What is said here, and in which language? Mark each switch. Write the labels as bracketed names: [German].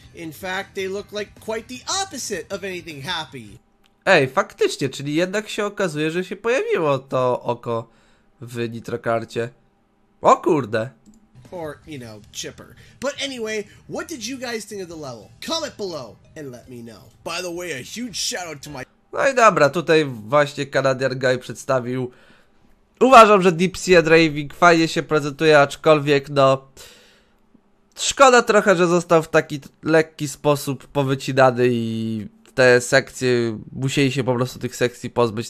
[English] In fact, they look like quite the opposite of anything happy. [Polish] Ej, faktycznie, czyli jednak się okazuje, że się pojawiło to oko w Nitro Karcie. O kurde. [English] Or, you know, chipper. But anyway, what did you guys think of the level? Comment below and let me know. By the way, a huge shout out to my. [Polish] No i dobra, tutaj właśnie Canadian Guy przedstawił. Uważam, że Deep Sea Driving fajnie się prezentuje, aczkolwiek no, szkoda trochę, że został w taki lekki sposób powycinany i te sekcje, musieli się po prostu tych sekcji pozbyć.